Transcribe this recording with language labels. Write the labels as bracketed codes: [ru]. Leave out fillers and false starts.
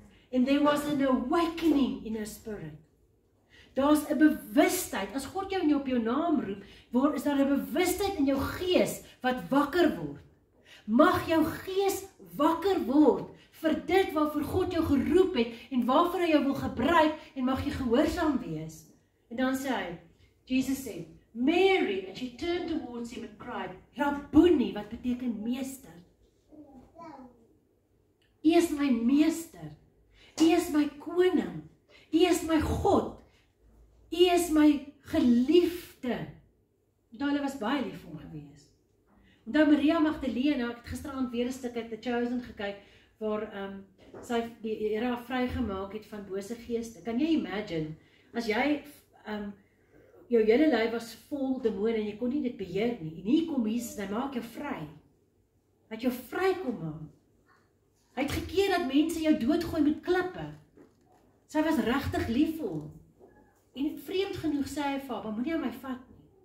[en] And there was an awakening in her spirit. [af] Daar is een bewustheid, as God jou op jou naam roep, is daar een bewustheid in jou gees wat wakker word. Mag jou gees wakker word vir dit waarvoor God jou geroep het en waarvoor hy jou wil gebruik en mag jy gehoorsaam wees. En dan sê hy, Jesus sê, Mary, [en] and she turned towards him and cried, [af] Rabboni, wat beteken meester. Hy is my meester. Hy is my koning. Hy is my God. Hy is my geliefde. Want hulle was baie lief om gewees. Want daar Maria Magdalena, ek het gisteraand weer een stuk uit The Chosen gekyk, waar sy die era vrygemaak het van bose geeste. Kan jy imagine, as jy, jou hele lyf was vol demone, en jy kon nie dit beheer nie, en hier kom Jesus, en hy maak jou vry. Hy het jou vry kom maak. Hy het gekeer dat mense jou doodgooi met klippe. Sy was regtig lief vir hom. En vreemd genoeg sê hy vir haar, maar moet jy my vat nie.